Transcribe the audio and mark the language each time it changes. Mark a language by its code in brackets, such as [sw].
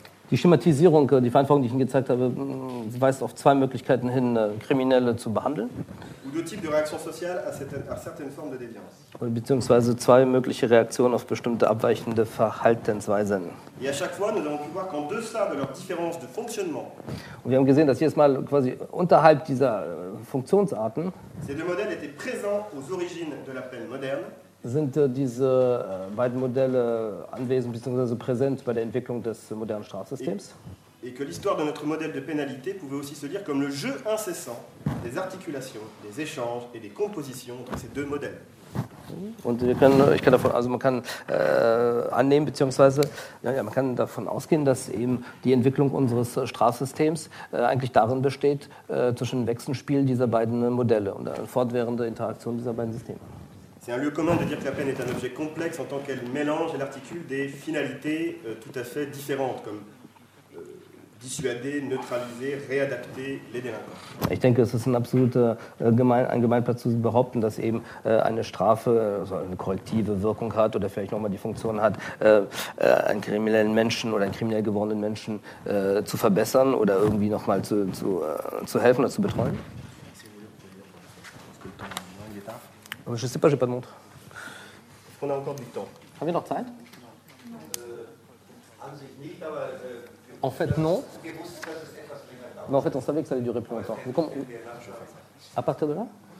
[de] Die Schématisierung, die Vereinfachung, die ich Ihnen gezeigt habe, weist auf zwei Möglichkeiten hin, Kriminelle zu behandeln. [fr] Ou deux types de réaction sociale à certaines formes de déviance. [de] Beziehungsweise zwei mögliche Reaktionen auf bestimmte abweichende Verhaltensweisen. [fr] Et à chaque fois, nous avons pu voir qu'en deçà de leur différence de fonctionnement, [de] und wir haben gesehen, dass jedes Mal quasi unterhalb dieser Funktionsarten, [fr] ces deux modèles étaient présents aux origines de la peine moderne, [de] sind diese beiden Modelle anwesend bzw. präsent bei der Entwicklung des modernen Strafsystems. [fr] Et que l'histoire de notre modèle de pénalité pouvait aussi se lire comme le jeu incessant des articulations, des échanges et des compositions entre ces deux modèles. [de] Und wir können, ich kann davon, also man kann annehmen, beziehungsweise ja, man kann davon ausgehen, dass eben die Entwicklung unseres Strafsystems eigentlich darin besteht, zwischen Wechselspiel dieser beiden Modelle und fortwährende Interaktion dieser beiden Systeme. [fr] C'est un lieu commun de dire que la peine est un objet complexe en tant qu'elle mélange et articule des finalités tout à fait différentes, comme dissuader, neutraliser, réadapter les délinquants. [de] Ich denke, es ist ein absoluter Gemeinplatz zu behaupten, dass eben eine Strafe so eine korrektive Wirkung hat oder vielleicht nochmal die Funktion hat, einen kriminellen Menschen oder einen kriminell gewordenen Menschen zu verbessern oder irgendwie nochmal zu helfen oder zu betreuen. [fr] Je ne sais pas, je n'ai pas de montre. Est-ce qu'on a encore du temps ? [de] Haben wir noch Zeit ? [fr] En fait, non. Mais en fait, on savait que ça allait durer plus longtemps. À partir de là ?